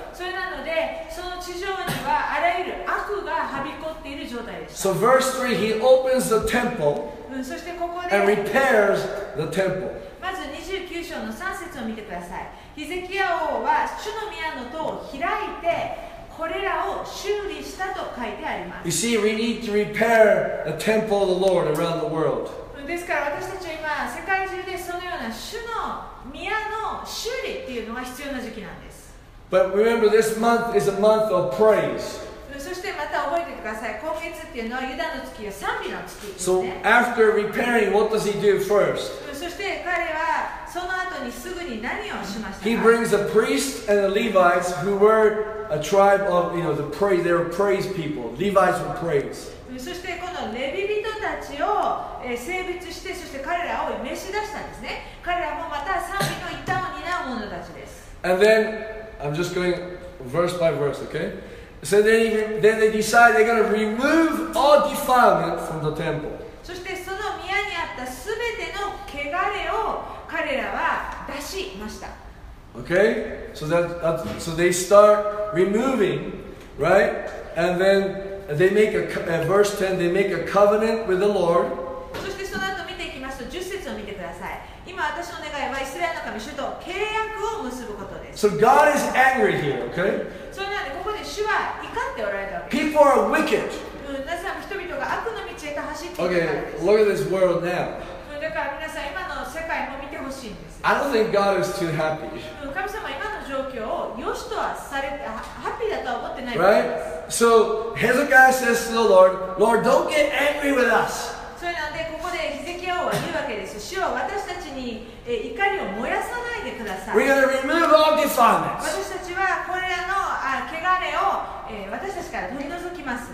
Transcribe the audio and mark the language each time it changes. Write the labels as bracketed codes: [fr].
[ja] それなのでその地上にはあらゆる悪がはびこっている状態でした。 [en] So verse 3, he opens the temple [ja] そしてここで [en] and repairs the temple. [ja] まず29章の3節を見てください。ヒゼキヤ王は主の宮の塔を開いてこれらを修理したと書いてあります。 [en] You see, we need to repair the temple of the Lord around the world. [ja] ですから私たちは今世界中でそのような主の宮の修理っていうのが必要な時期なんです。 [en] But remember, this month is a month of praise. [ja] そしてまた覚えてください。今月っていうのはユダの月や賛美の月ですね。 [en] So after repairing, what does he do first? [ja] そして彼はその後にすぐに何をしましたか。 [en] He brings a priest and the Levites who were a tribe of, you know, the praise, they were praise people. Levites were praise. [ja] そしてこのレビ人たちを聖別して、そして彼らを召し出したんですね。彼らもまた賛美の一端を担う者たちです。 [en] And then, I'm just going verse by verse, okay? So then they decide they're going to remove all defilement from the temple. [ja] そしてその宮にあったすべての穢れを彼らは出しました。 [en] Okay, so so they start removing, right? And then they make a verse 10, they make a covenant with the Lord. [ja] そしてその後見ていきますと、10節を見てください。今私の願いはイスラエルの神主と契約を結ぶことです。 [en] So God is angry here, okay? [ja] そうなんで、ここで主は怒っておられたわけです。 [en] People are wicked. [ja] なぜなら人々が悪の道へと走っているからです。 [en] Okay, look at this world now. [ja] だから皆さん、今の世界も見てほしいんです。 [en] I don't think God is too happy. [ja] 神様今の状況を良しとはされて、ハッピーだとは思ってないです。 [en] So Hezekiah says to the Lord, Lord, don't get angry with us. [ja] それなんでここでヒゼキヤ王は言うわけです。主は私たちに怒りを燃やさないでください。 [en] We're going to remove all defilements. [ja] 私たちはこれらの穢れを私たちから取り除きます。